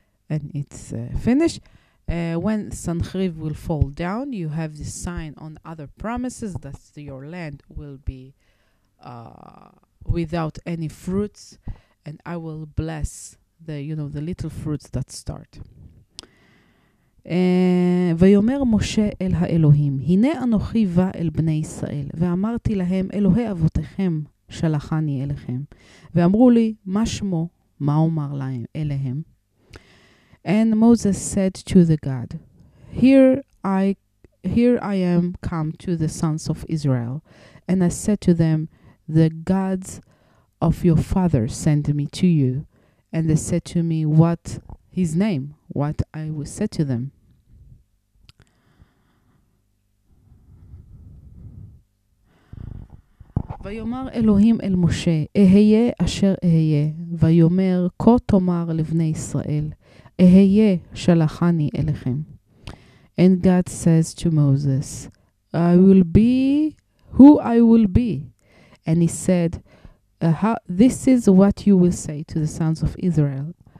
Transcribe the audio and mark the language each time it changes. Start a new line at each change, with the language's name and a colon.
English: And it's finished. When Sancheriv will fall down, you have this sign on other promises that your land will be without any fruits. And I will bless the little fruits that start.
Hebrew: ויאמר משה אל האלוהים, הנה אנוכי בא אל בני ישראל, ואמרתי להם, אלוהי אבותיכם שלחני אליכם. ואמרו לי, מה שמו, מה אומר להם, אליהם?
English: And Moses said to the God, Here I am come to the sons of Israel. And I said to them, the gods of your father sent me to you. And they said to me, what his name, what I will say to them.
Hebrew: ויאמר אלוהים אל משה, אהיה אשר אהיה, ויאמר, כה תאמר לבני ישראל, אהיה שלחני אליכם.
English: And God says to Moses, I will be who I will be. And he said, this is what you will say to the sons of Israel.